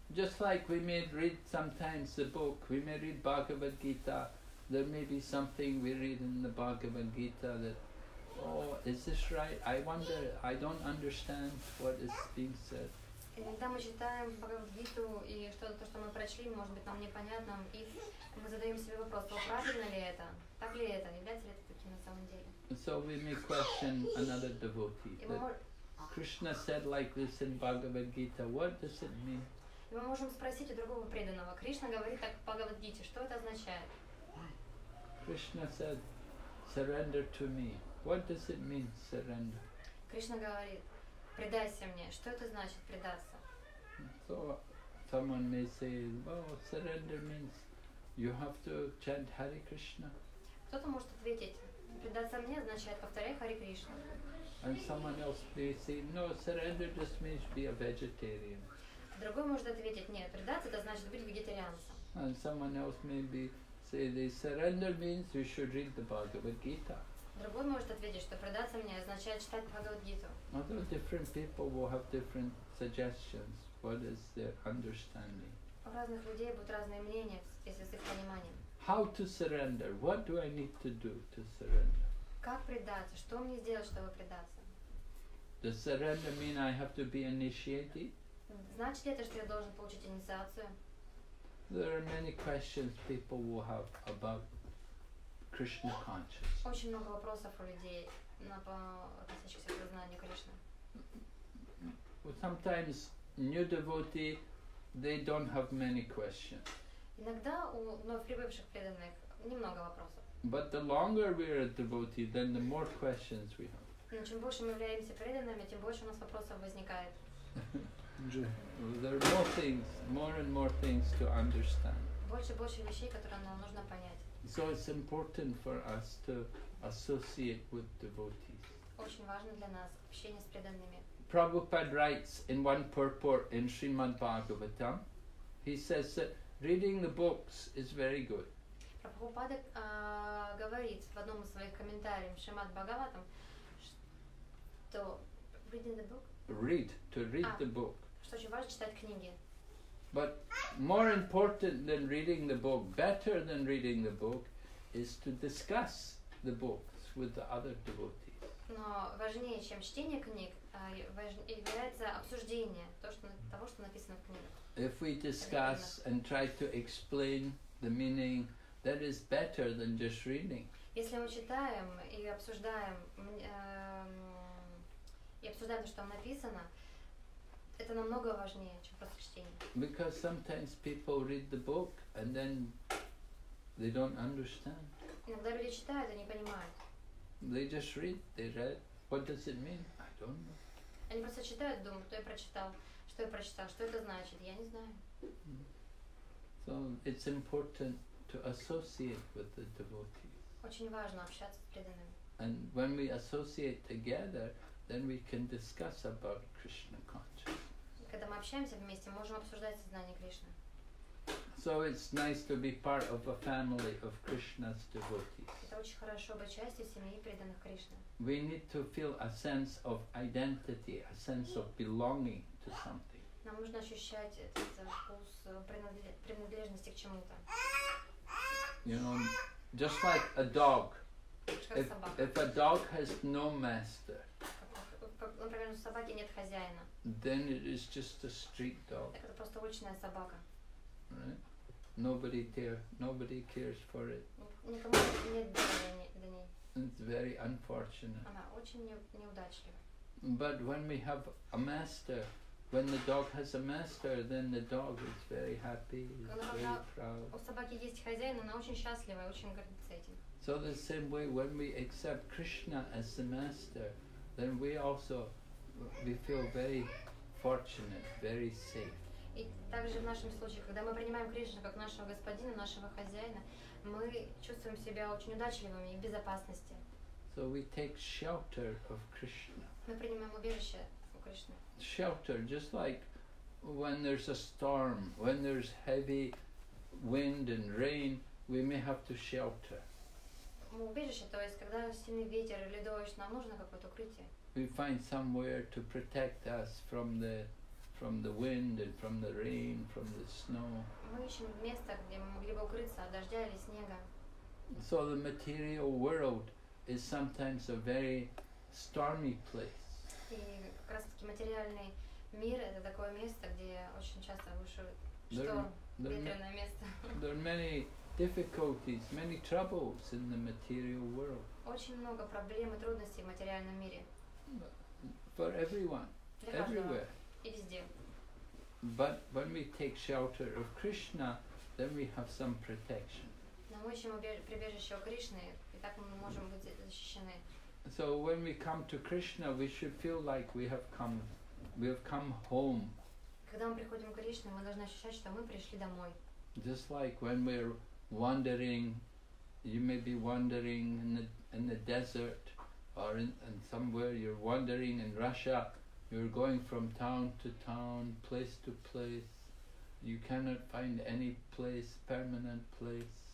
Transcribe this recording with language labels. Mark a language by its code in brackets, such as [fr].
[en] Just like we may read sometimes the book, we may read Bhagavad Gita, there may be something we read in the Bhagavad Gita that, oh, is this right? I wonder, I don't understand what is being said. [ru] Иногда мы читаем Бхагавад-гиту, и что-то, то, что мы прочли, может быть, нам непонятно, и мы задаем себе вопрос, правильно ли это? Так ли это? Является ли это таким на самом деле? [en] So we may question another devotee. Krishna said like this in Bhagavad-gita, what does it mean? [ru] И мы можем спросить у другого преданного, Кришна говорит так в Бхагавад-гите, что это означает? [en] Krishna said, surrender to me. What does it mean, surrender? [ru] Кришна говорит, предайся мне. Что это значит, предаться? [en] So, someone may say, well, surrender means you have to chant Hare Krishna. [ru] Кто-то может ответить, предаться мне означает повторяй Hare Krishna. [en] And someone else may say, no, surrender just means be a vegetarian. [ru] Другой может ответить, нет, предаться это значит быть вегетарианцем. [en] And someone else may be See, the surrender means you should read the Bhagavad Gita. [ru] Другой может ответить, что продаться мне означает читать Бхагавад Гиту. [en] Although different people will have different suggestions, what is their understanding? [ru] У разных людей будут разные мнения, если с их пониманием. [en] How to surrender? What do I need to do to surrender? [ru] Как предаться? Что мне сделать, чтобы предаться? [en] Does surrender mean I have to be initiated? [ru] Значит ли это, что я должен получить инициацию? [en] There are many questions people will have about Krishna consciousness. [ru] Очень много вопросов у людей относящихся к сознанию Кришны. [en] Well, sometimes new devotee, they don't have many questions. [ru] Иногда у вновь прибывших преданных немного вопросов. [en] But the longer we are a devotee, then the more questions we have. [ru] Но чем больше мы являемся преданными, тем больше у нас вопросов возникает. [en] There are more things, more and more things to understand. [ru] Больше и больше вещей, которые нам нужно понять. [en] So it's important for us to associate with devotees. [ru] Очень важно для нас общение с преданными. [en] Prabhupada writes in one purport in Srimad Bhagavatam, he says that reading the books is very good. [ru] Прабхупада говорит в одном из своих комментариев Шримад Бхагаватам, что [en] reading the book. To read the book. [ru] Что очень важно читать книги. [en] But more important than reading the book, better than reading the book, is to discuss the books with the other devotees. [ru] Но важнее, чем чтение книг, является обсуждение того, что написано в книгах. [en] If we discuss and try to explain the meaning, that is better than just reading. [ru] Если мы читаем и обсуждаем то, что там написано, это намного важнее, чем просто чтение. [en] Because sometimes people read the book and then they don't understand. [ru] Иногда люди читают и не понимают. [en] They just read, they read. What does it mean? I don't know. [ru] Они просто читают, думают, кто я прочитал. Что я прочитал? Что это значит? Я не знаю. [en] So it's important to associate with the devotees. [ru] Очень важно общаться с преданными. [en] And when we associate together, then we can discuss about Krishna consciousness. [ru] Когда мы общаемся вместе, можем обсуждать сознание Кришны. [en] So it's nice to be part of a family of Krishna's devotees. [ru] Это очень хорошо быть частью семьи преданных Кришны. [en] We need to feel a sense of identity, a sense of belonging. [ru] Нам нужно ощущать этот вкус принадлежности к чему-то. [en] You know, just like a dog. If a dog has no master. [ru] Например, у собаки нет хозяина. [en] Then it is just a street dog. [ru] Это просто уличная собака. [en] Right? Nobody cares for it. [ru] Никому нет дела до ней. [en] It's very unfortunate. [ru] Она очень неудачлива. [en] But when we have a master. When the dog has a master, then the dog is very happy, very proud. [ru] У собаки есть хозяин, она очень счастлива, очень гордится этим. [en] So the same way, when we accept Krishna as the master, then we feel very fortunate, very safe. [ru] И также в нашем случае, когда мы принимаем Кришну как нашего господина, нашего хозяина, мы чувствуем себя очень удачливыми и в безопасности. [en] So we take shelter of Krishna. [ru] Мы принимаем убежище у Кришны. [en] Shelter, just like when there's a storm, when there's heavy wind and rain, we may have to shelter. [ru] Убежище, то есть когда сильный ветер или дождь, нам нужно какое-то укрытие. [en] We find somewhere to protect us from the wind and from the rain, from the snow. [ru] Мы ищем место, где мы могли бы укрыться от дождя или снега. [en] So the material world is sometimes a very stormy place. [ru] И как раз таки материальный мир — это такое место, где очень часто бушует шторм, ветреное место. [en] There are many difficulties, many troubles in the material world. [ru] Очень много проблем и трудностей в материальном мире. [en] For everyone, everywhere. [ru] И везде. [en] But when we take shelter of Krishna, then we have some protection. [ru] Но мы ищем прибежище у Кришны, и так мы можем быть защищены. [en] So when we come to Krishna, we should feel like we have come home. [ru] Когда мы приходим к Кришне, мы должны ощущать, что мы пришли домой. [en] Just like when we're wandering, you may be wandering in the desert, or in somewhere you're wandering in Russia, you're going from town to town, place to place, you cannot find any place, permanent place.